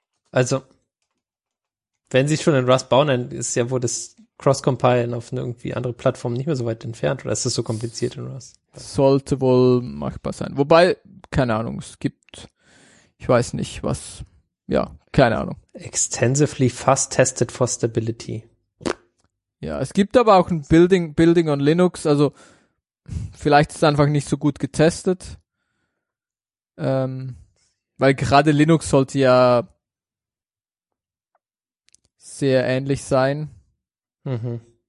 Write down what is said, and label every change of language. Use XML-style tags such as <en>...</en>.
<de>Also wenn sie schon in Rust bauen, dann ist ja wohl das Cross-Compilen auf eine irgendwie andere Plattform nicht mehr so weit entfernt, oder ist das so kompliziert in Rust? Sollte wohl machbar sein. Wobei, keine Ahnung, es gibt, ich weiß nicht, was, ja, keine Ahnung.</de> <en>Extensively fast tested for stability.</en> <de>Ja, es gibt aber auch ein Building on Linux, also vielleicht ist es einfach nicht so gut getestet. Weil gerade Linux sollte ja sehr ähnlich sein. Mhm.</de>